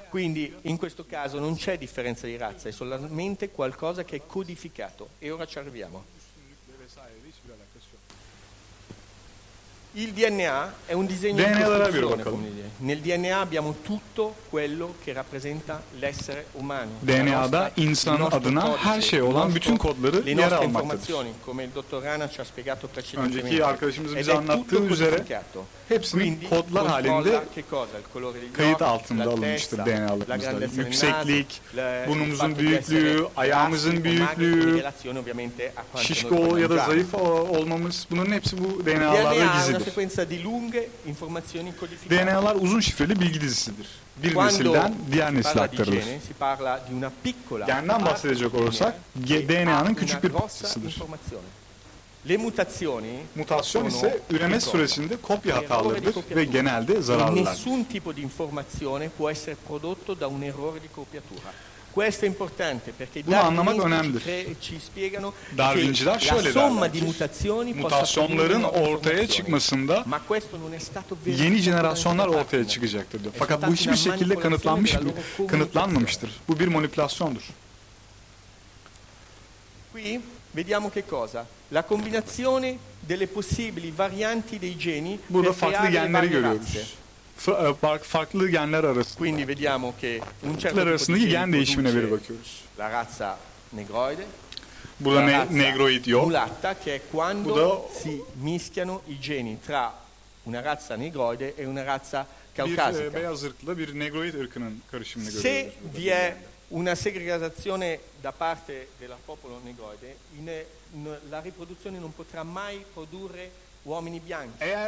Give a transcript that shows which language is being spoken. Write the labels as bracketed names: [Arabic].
[Italian] Quindi in questo caso non c'è differenza di razza, è solamente qualcosa che è codificato. E ora ci arriviamo. Il DNA è un disegno di costruzione. Nel DNA abbiamo tutto quello che rappresenta l'essere umano. [Turkish] DNA'da insan adına her şey olan bütün kodları yer almaktadır. [Italian] Le nostre informazioni, come il dottor Rana ci ha spiegato precedentemente. [Turkish] Önceki arkadaşımızın bize anlattığı üzere hepsinin kodlar halinde kayıt altında alınmıştır DNA'larımızda. Yükseklik, burnumuzun büyüklüğü, ayağımızın büyüklüğü, şişko ya da zayıf olmamız, bunların hepsi bu DNA'larda gizli. [Italian] Una sequenza di lunghe informazioni codificate. [Turkish] DNA'lar uzun şifreli bilgi dizisidir. Bir [Italian] quando [Turkish] nesilden diğer nesile aktarılır. [Italian] Di gene, si parla di una piccola. [Turkish] Genden bahsedecek olursak DNA'nın küçük bir parçasıdır. [Italian] Le mutazioni, [Turkish] mutasyon ise üreme süresinde kopya hatalarıdır ve genelde zararlılar. [Italian] Nessun tipo di informazione può essere prodotto da un errore di copiatura. Questo è importante perché [Turkish] bunu anlamak önemlidir. [Italian] Ci spiegano [Turkish] Darwinciler [Italian] che la somma di mutazioni [Turkish] mutasyonların ortaya çıkmasında yeni jenerasyonlar ortaya çıkacaktır diyor. Fakat bu hiçbir şekilde kanıtlanmamıştır. Bu bir manipülasyondur. [Italian] Qui vediamo che cosa. La combinazione delle possibili varianti dei geni. [Turkish] Burada farklı genleri görüyoruz. Farklı genler arasında. [Italian] Quindi vediamo che un [Turkish] certo arasındaki gen değişimine bir bakıyoruz. [Italian] La razza negroide. [Turkish] Burada negroid yok. [Italian] Mulatta, che è quando da, si mischiano i geni tra una razza negroide e una razza caucasica. [Turkish] Bir beyaz ırkla bir negroid ırkının karışımını [Italian] görüyoruz. Se vi è una segregazione da parte del popolo negroide, la riproduzione non potrà mai produrre uomini bianchi.